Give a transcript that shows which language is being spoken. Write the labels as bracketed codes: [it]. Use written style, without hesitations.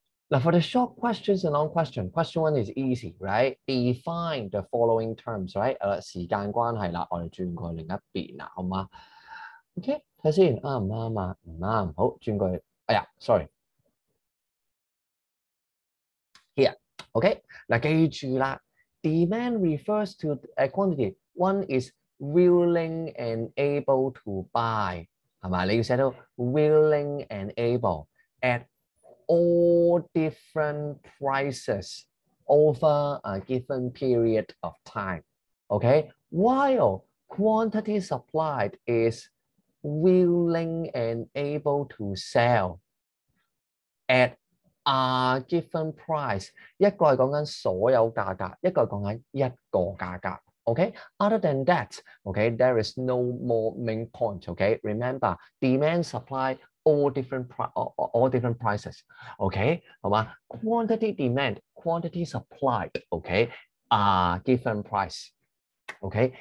[en] Now, for the short questions and long questions, question one is easy, right? Define the following terms, right? [yue] 時間關係啦，我哋轉過另一邊啦，好嗎？ Okay, 睇先，啱唔啱啊？唔啱，好，轉過去。哎呀 ，sorry。 [en] Here, okay? [yue] 嗱，記住啦 [en] ，demand refers to a quantity. One is willing and able to buy， [yue] 係嘛？你要寫到 [en] willing and able at all different prices over a given period of time. Okay, while quantity supplied is willing and able to sell at a given price. [yue] 一個係講緊所有價格，一個係講緊一個價格。 [en] Okay, other than that, okay, there is no more main point. Okay, remember demand supply. All different prices, okay? [yue] 好嘛 [en] ？Quantity demand, quantity supplied, okay? A given price, okay?